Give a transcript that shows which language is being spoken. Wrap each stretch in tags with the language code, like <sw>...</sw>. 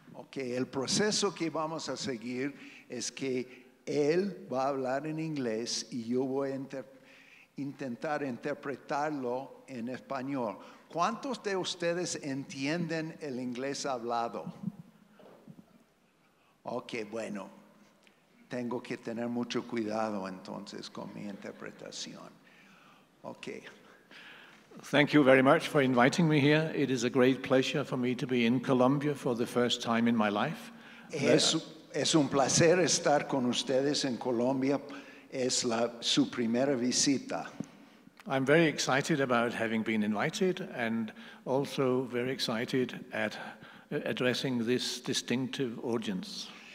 <es>Que el proceso que vamos a seguir es que él va a hablar en inglés y yo voy a intentar interpretarlo en español. ¿Cuántos de ustedes entienden el inglés hablado? Ok, bueno, tengo que tener mucho cuidado entonces con mi interpretación. Ok.</es> <en>Thank you very much for inviting me here. It is a great pleasure for me to be in Colombia for the first time in my life.</en> <es>Es un placer estar con ustedes en Colombia. Es la su primera visita.</es> <en>I'm very excited about having been invited and also very excited at addressing this distinguished audience.</en>